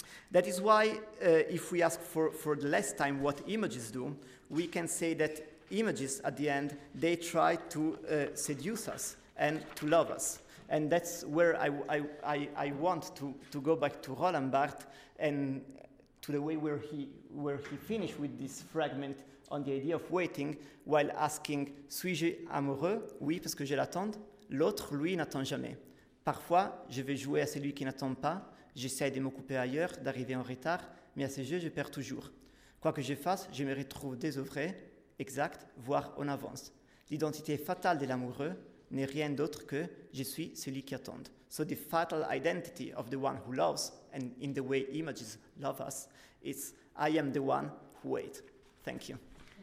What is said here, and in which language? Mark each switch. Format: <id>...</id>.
<en>That is why if we ask for the last time what images do, we can say that images, at the end, they try to seduce us and to love us. And that's where I want to go back to Roland Barthes and to the way where he finished with this fragment on the idea of waiting while asking,</en> <fr>suis-je amoureux? Oui, parce que je l'attends. L'autre, lui, n'attend jamais. Parfois, je vais jouer à celui qui n'attend pas. J'essaie de me couper ailleurs, d'arriver en retard, mais à ce jeu, je perds toujours. Quoi que je fasse, je me retrouve désœuvré, exact, voire en avance. L'identité fatale de l'amoureux n'est rien d'autre que je suis celui qui attend.</fr> <en>So the fatal identity of the one who loves, and in the way images love us, is I am the one who waits. Thank you.</en>